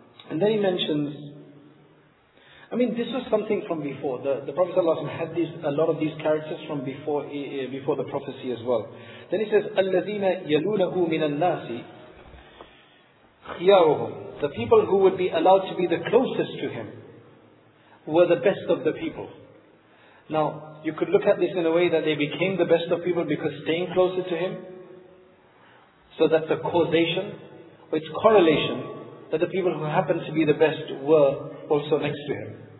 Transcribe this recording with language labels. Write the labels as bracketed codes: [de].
[en] And then he mentions, I mean, this was something from before. The Prophet ﷺ had these, a lot of these characters from before the prophecy as well. Then he says, [ar] الَّذِينَ يَلُونَهُ مِنَ النَّاسِ خِيَارُهُمْ. [en] The people who would be allowed to be the closest to him were the best of the people. Now, you could look at this in a way that they became the best of people because staying closer to him. So that's a causation. It's correlation that the people who happened to be the best were also next to him.